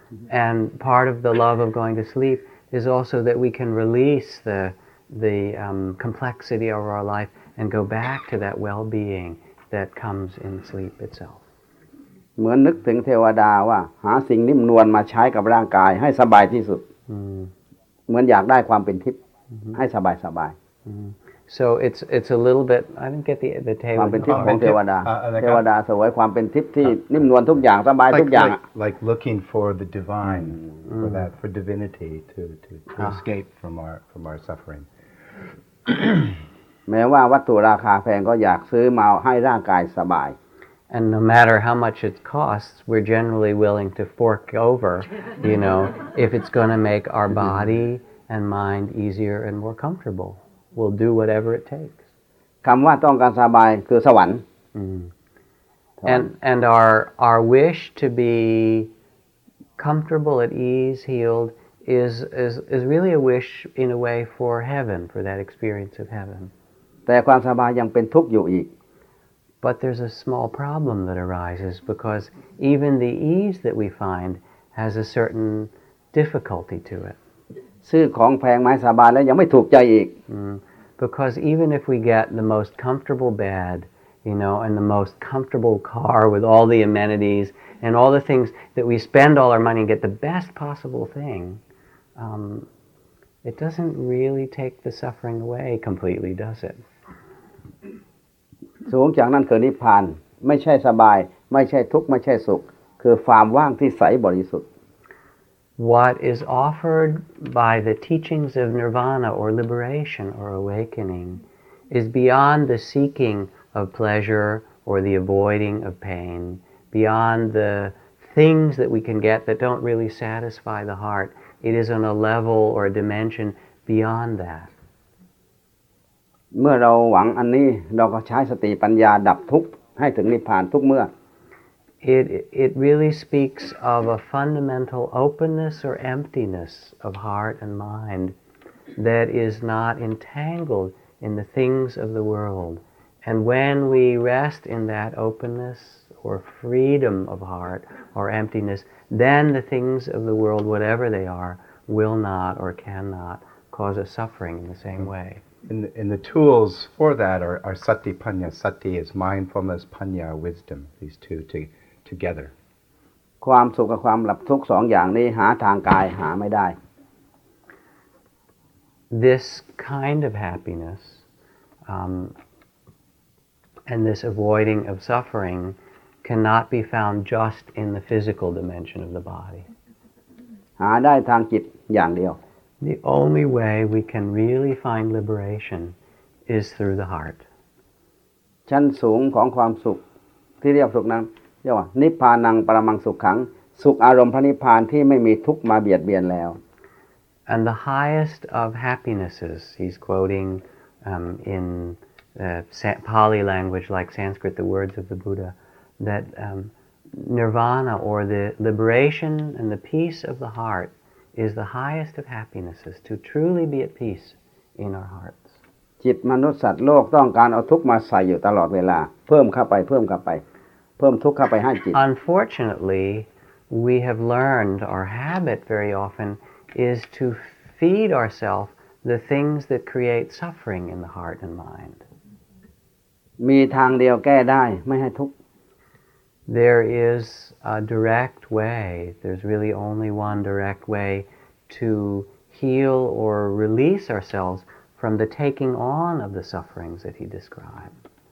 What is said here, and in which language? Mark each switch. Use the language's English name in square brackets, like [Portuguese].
[English] And part of the love of going to sleep is also that we can release the complexity of our life and go back to that well-being that comes in sleep itself. [Thai] เหมือนนึกถึงเทวดาว่าหาสิ่งนิ่มนวลมาใช้กับร่างกายให้สบายที่สุดเหมือนอยากได้ความเป็นทิพย์ให้สบายสบาย [English] So it's a little bit I didn't get the tale [Thai] ความเป็นทิพย์ของเทวดาเทวดาสวยความเป็นทิพย์ที่นิ่มนวลทุกอย่างสบายทุกอย่าง [English] like looking for the divine for that for divinity to escape from our suffering [Thai] แม้ว่าวัตถุราคาแพงก็อยากซื้อมาให้ร่างกายสบาย [English] And no matter how much it costs, we're generally willing to fork over, you know, if it's going to make our body and mind easier and more comfortable. We'll do whatever it takes. [Thai] คำว่าต้องการสบายคือสวรรค์ [English] And our wish to be comfortable, at ease, healed, is really a wish, in a way, for heaven, for that experience of heaven. [Thai] แต่ความสบายยังเป็นทุกข์อยู่อีก [English] But there's a small problem that arises because even the ease that we find has a certain difficulty to it. [Thai] ซื้อของแพงไหมสบายแล้วยังไม่ถูกใจอีก [English] Because even if we get the most comfortable bed, you know, and the most comfortable car with all the amenities and all the things that we spend all our money and get the best possible thing, it doesn't really take the suffering away completely, does it? [Thai] สูงจากนั้นคือนิพพานไม่ใช่สบายไม่ใช่ทุกข์ไม่ใช่สุขคือความว่างที่ใสบริสุทธิ์ [English] What is offered by the teachings of nirvana or liberation or awakening is beyond the seeking of pleasure or the avoiding of pain beyond the things that we can get that don't really satisfy the heart it is on a level or a dimension beyond that [Thai] เมื่อเราหวังอันนี้เราก็ใช้สติปัญญาดับทุกข์ให้ถึงนิพพานทุกเมื่อ [English] It really speaks of a fundamental openness or emptiness of heart and mind that is not entangled in the things of the world and when we rest in that openness or freedom of heart or emptiness then the things of the world whatever they are will not or cannot cause us suffering in the same way And the tools for that are sati panya. Sati is mindfulness, panya, wisdom. These two together. [Thai] ความสุขกับความหลับทุกสองอย่างนี้หาทางกายหาไม่ได้ [English] This kind of happiness, and this avoiding of suffering, cannot be found just in the physical dimension of the body. [Thai] หาได้ทางจิตอย่างเดียว [English] The only way we can really find liberation is through the heart. [Thai] ชั้นสูงของความสุขที่เรียกสุขนั้นเรียกว่า [Pali] นิพพานังปรมังสุขขัง [Thai] สุขอารมณ์พระนิพพานที่ไม่มีทุกข์มาเบียดเบียนแล้ว [English] And the highest of happinesses, he's quoting in Pali language like Sanskrit, the words of the Buddha, that nirvana or the liberation and the peace of the heart. Is the highest of happinesses to truly be at peace in our hearts. [Thai] จิตมนุษย์สัตว์โลกต้องการเอาทุกข์มาใส่อยู่ตลอดเวลาเพิ่มเข้าไปเพิ่มเข้าไปเพิ่มทุกข์เข้าไปให้จิต [English] Unfortunately, we have learned our habit very often is to feed ourselves the things that create suffering in the heart and mind. [Thai] มีทางเดียวแก้ได้ไม่ให้ทุกข์ [English] There is a direct way, there's really only one direct way to heal or release ourselves from the taking on of the sufferings that he described.